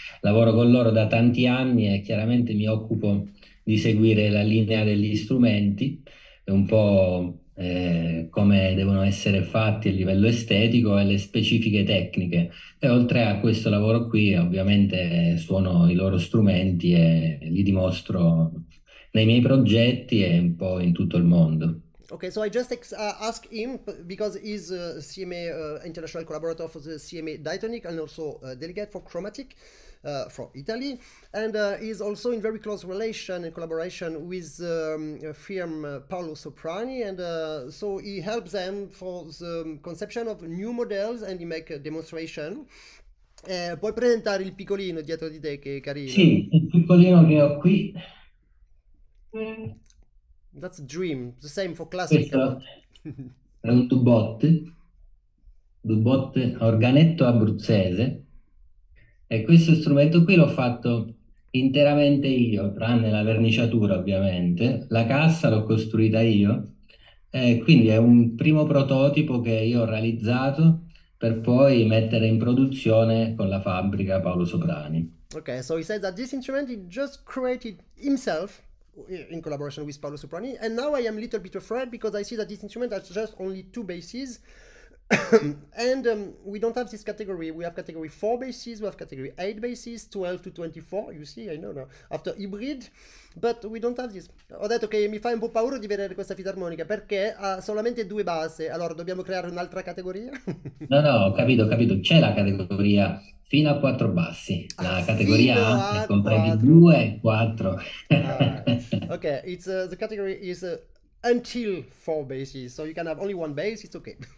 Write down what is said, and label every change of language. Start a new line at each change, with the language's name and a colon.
Italian: Lavoro con loro da tanti anni e chiaramente mi occupo di seguire la linea degli strumenti, è un po'... come devono essere fatti a livello estetico e le specifiche tecniche. E oltre a questo lavoro qui, ovviamente suono i loro strumenti e li dimostro nei miei progetti e un po' in tutto il mondo.
English: Okay, so I just ask him because he's a CMA international collaborator for the CMA Diatonic and also delegate for Chromatic from Italy, and he's also in very close relation and collaboration with the firm Paolo Soprani, and so he helps them for the conception of new models and he make a demonstration.
Italian: Puoi presentare il piccolino dietro di te che è carino? Sì, il piccolino che ho qui.
English: That's a dream, the same for Classic.
Italian: È un dubot organetto abruzzese, e questo strumento qui l'ho fatto interamente io, tranne la verniciatura ovviamente, la cassa l'ho costruita io, quindi è un primo prototipo che io ho realizzato per poi mettere in produzione con la fabbrica Paolo Soprani.
English: Ok, so he said that this instrument he just created himself in collaboration with Paolo Soprani, and now I am a little bit afraid because I see that this instrument has just only two basses and we don't have this category. We have category 4 basses, we have category 8 basses, 12 to 24, you see, I know now, after hybrid, but we don't have this.
Italian: Ho detto che mi fa un po' paura di vedere questa fisarmonica perché ha solamente due basse, allora dobbiamo creare un'altra categoria? No, no, ho capito, c'è la categoria fino a 4 bassi, la categoria A comprende 2 e 4.
English: Ok, it's the category is until 4 basses, so you can have only one bass, it's okay.